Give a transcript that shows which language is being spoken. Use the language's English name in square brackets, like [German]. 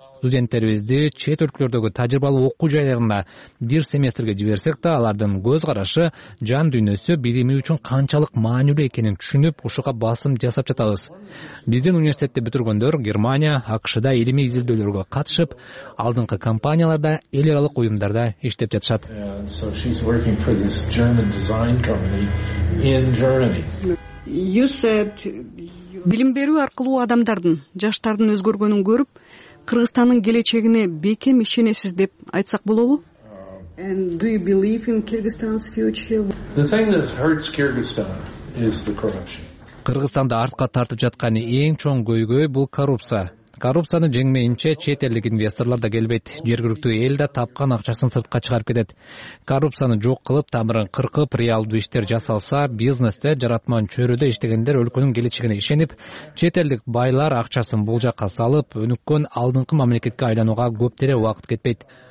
[Kyrgyz] Студенттерибизди чет өлкөлөрдөгү тажрыйбалуу окуу жайларына бир семестрге жиберсек да, алардын көз карашы, жан дүйнөсү билими үчүн канчалык маанилүү экенин түшүнүп, ушуга басым жасап жатабыз. Биздин университетти бүтүргөндөр Германия, АКШда илимий изилдөөлөргө катышып, алдыңкы компанияларда, эл аралык уюмдарда иштеп жатышат. [English] So she's working for this German design company in Germany. You said [Kyrgyz] билим берүү аркылуу адамдардын, жаштардын өзгөргөнүн көрүп, Кыргызстандын келечегине бекем ишенесиз деп айтсак болобу? [English] And do you believe in Kyrgyzstan's future? The thing that hurts Kyrgyzstan is the corruption. [Kyrgyz] Кыргызстанды артка тартып жатканы эң чоң көйгөй бул коррупция. Коррупцияны жеңмейинче чет элдик инвесторлор да келбейт. Жергиликтүү эл да тапкан акчасын сыртка чыгарып кетет. Коррупцияны жок кылып, тамырын кыркып, реалдуу иштер жасалса, бизнесте жаратман чөйрөдө иштегендер өлкөнүн келечегине ишенип, чет элдик байлар акчасын бул жакка салып, өнүккөн алдыңкы мамлекетке айланууга көптөрө убакыт кетпейт.